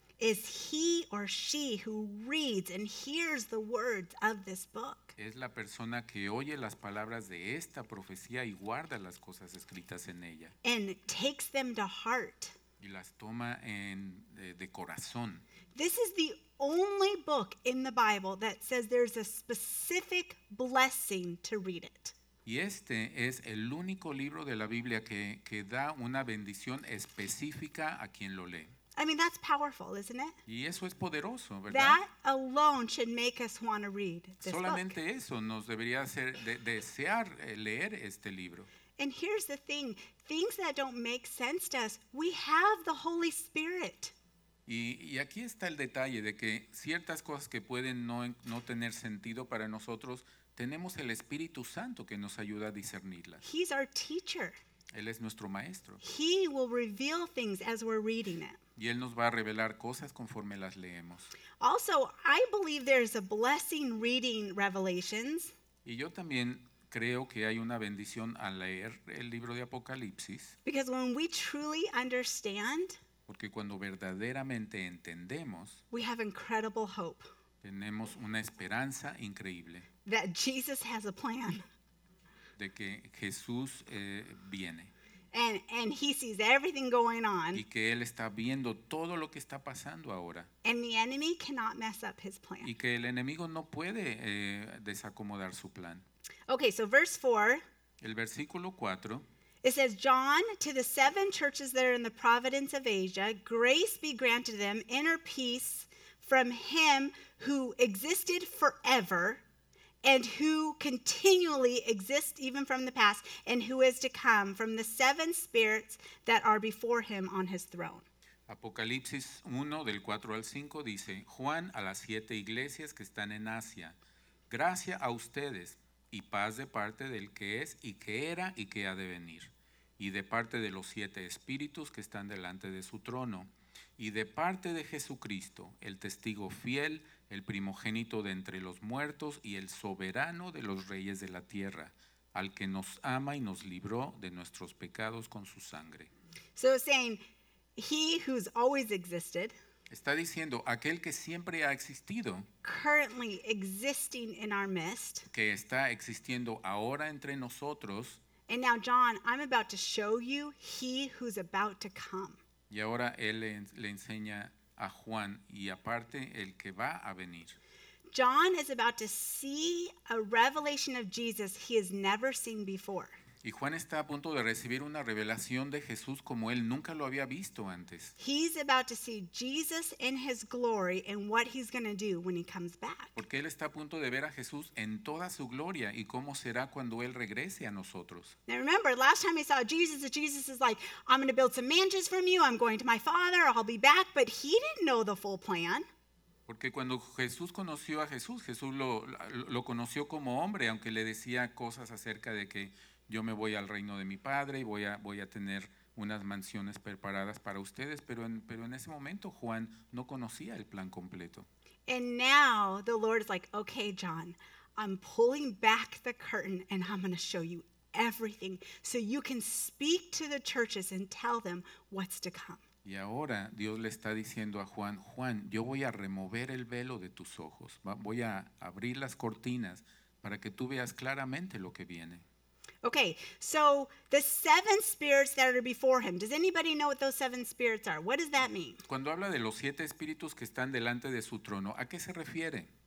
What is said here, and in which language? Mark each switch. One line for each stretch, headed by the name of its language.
English: Is he or she who reads and hears the words of this book.
Spanish: Es la persona que oye las palabras de esta profecía y guarda las cosas escritas en ella.
English: And takes them to heart.
Spanish: Y las toma de corazón.
English: This is the only book in the Bible that says there's a specific blessing to read it.
Spanish: Y este es el único libro de la Biblia que da una bendición específica a quien lo lee.
English: I mean, that's powerful, isn't it?
Spanish: Y eso es poderoso, ¿verdad?
English: That alone should make us want to read this
Spanish: Solamente
English: book.
Spanish: Eso nos debería hacer desear leer este libro.
English: And here's the thing. Things that don't make sense to us, we have the Holy Spirit.
Spanish: Y aquí está el detalle de que ciertas cosas que pueden no tener sentido para nosotros, tenemos el Espíritu Santo que nos ayuda a discernirlas.
English: He's our teacher.
Spanish: Él es nuestro maestro.
English: He will reveal things as we're reading it.
Spanish: Y él nos va a revelar cosas conforme las leemos.
English: Also, I believe there's a blessing reading Revelations.
Spanish: Y yo también creo que hay una bendición al leer el libro de Apocalipsis.
English: Because when we truly understand,
Spanish: porque cuando verdaderamente entendemos,
English: we have incredible hope.
Spanish: Tenemos una esperanza increíble.
English: That Jesus has a plan.
Spanish: De que Jesús viene.
English: And he sees everything going on.
Spanish: Y que él está viendo todo lo que está pasando ahora.
English: And the enemy cannot mess up his plan.
Spanish: Y que el enemigo no puede desacomodar su plan.
English: Okay, so verse 4.
Spanish: El versículo 4.
English: It says, John, to the seven churches that are in the province of Asia, grace be granted them, inner peace from him who existed forever and who continually exists even from the past and who is to come from the seven spirits that are before him on his throne.
Spanish: Apocalipsis 1, del 4 al 5, dice, Juan, a las siete iglesias que están en Asia, gracia a ustedes y paz de parte del que es y que era y que ha de venir. Y de parte de los siete espíritus que están delante de su trono, y de parte de Jesucristo, el testigo fiel, el primogénito de entre los muertos y el soberano de los reyes de la tierra, al que nos ama y nos libró de nuestros pecados con su sangre.
English: So saying, he who's always existed,
Spanish: está diciendo, aquel que siempre ha existido,
English: currently existing in our midst,
Spanish: que está existiendo ahora entre nosotros.
English: And now, John, I'm about to show you he who's about to come.
Spanish: Y ahora él le enseña a Juan y aparte el que va a venir.
English: John is about to see a revelation of Jesus he has never seen before.
Spanish: Y Juan está a punto de recibir una revelación de Jesús como él nunca lo había visto antes.
English: He's about to see Jesus in his glory and what he's going to do when he comes back.
Spanish: Porque él está a punto de ver a Jesús en toda su gloria y cómo será cuando él regrese a nosotros.
English: Now remember, last time he saw Jesus is like, I'm going to build some mansions from you, I'm going to my father, I'll be back. But he didn't know the full plan.
Spanish: Porque cuando Jesús conoció a Jesús, Jesús lo conoció como hombre, aunque le decía cosas acerca de que yo me voy al reino de mi padre y voy a tener unas mansiones preparadas para ustedes, pero en ese momento Juan no conocía el plan completo.
English: And now the Lord is like, okay, John, I'm pulling back the curtain and I'm going to show you everything so you can speak to the churches and tell them what's to come.
Spanish: Y ahora Dios le está diciendo a Juan, yo voy a remover el velo de tus ojos, voy a abrir las cortinas para que tú veas claramente lo que viene.
English: Okay, so the seven spirits that are before him. Does anybody know what those seven spirits are? What does that mean?
Spanish: Cuando habla de los siete espíritus que están delante de su trono, ¿a qué se refiere?